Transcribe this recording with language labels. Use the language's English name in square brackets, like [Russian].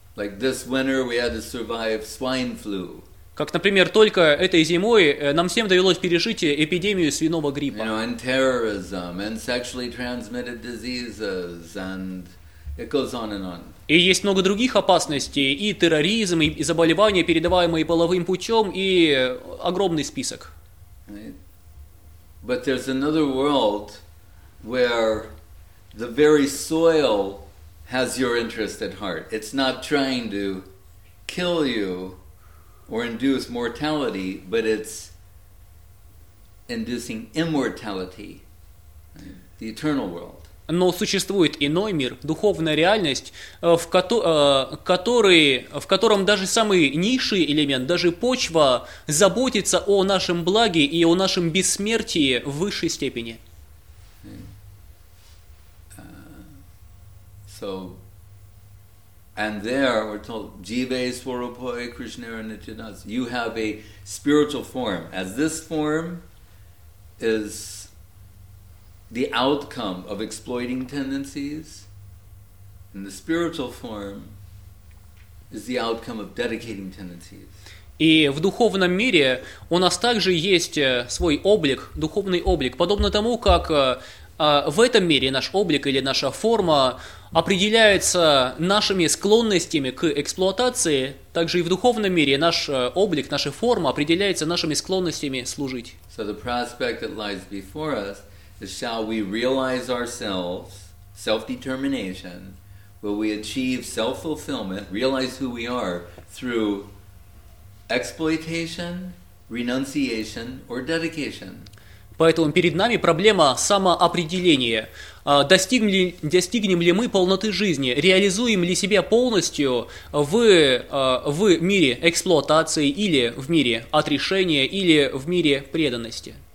[English] Like this winter we had to survive swine flu. [Russian] Как, например, только этой зимой нам всем довелось пережить эпидемию свиного гриппа. [English] You know, and terrorism, and sexually transmitted diseases, and it goes on and on. [Russian] И есть много других опасностей, и терроризм, и заболевания, передаваемые половым путем, и огромный список. [English] But there's another world where the very soil has your interest at heart. It's not trying to kill you or induce mortality, but it's inducing immortality, the eternal world. [Russian] Но существует иной мир, духовная реальность, в котором даже самый низший элемент, даже почва, заботится о нашем благе и о нашем бессмертии в высшей степени. [English] So, and there we're told, jivai swarupai krishnara nityanas, you have a spiritual form, as this form is the outcome of exploiting tendencies, and the spiritual form is the outcome of dedicating tendencies. [Russian] И в духовном мире у нас также есть свой облик, духовный облик, подобно тому, как в этом мире наш облик или наша форма определяется нашими склонностями к эксплуатации, также и в духовном мире наш облик, наша форма определяется нашими склонностями служить. [English] So the prospect that lies before us, shall we realize ourselves, self-determination, will we achieve self-fulfillment, realize who we are through exploitation, renunciation, or dedication? [Russian] Поэтому перед нами проблема самоопределения. Достигнем ли мы полноты жизни? Реализуем ли себя полностью в мире эксплуатации или в мире отрешения, или в мире преданности?